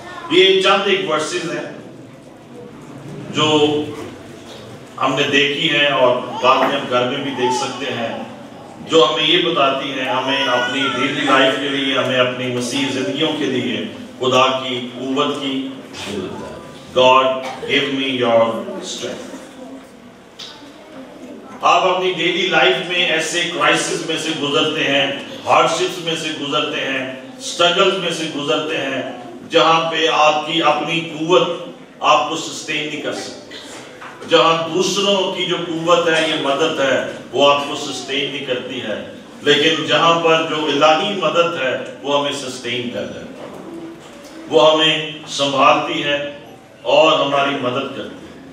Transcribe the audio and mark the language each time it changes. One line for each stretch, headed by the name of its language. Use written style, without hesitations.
Urdu: یہ چند ایک ورسز ہیں جو ہم نے دیکھی ہیں اور بعد میں ہم گھر میں بھی دیکھ سکتے ہیں, جو ہمیں یہ بتاتی ہیں ہمیں اپنی ڈیلی لائف کے لیے, ہمیں اپنی مسیح زندگیوں کے لیے خدا کی قوت کی ضرورت ہے.
English: God give me your strength.
Urdu: آپ اپنی ڈیلی لائف میں ایسے کرائسس میں سے گزرتے ہیں, ہارڈ شپس میں سے گزرتے ہیں, سٹرگلز میں سے گزرتے ہیں, جہاں پہ آپ کی اپنی قوت آپ کو سسٹین نہیں کر سکتی, جہاں دوسروں کی جو قوت ہے یہ مدد ہے وہ آپ کو سسٹین نہیں کرتی ہے, لیکن جہاں پر جو الہی مدد ہے وہ ہمیں سسٹین کر دیتی ہے, وہ ہمیں سنبھالتی ہے اور ہماری مدد کرتی ہے.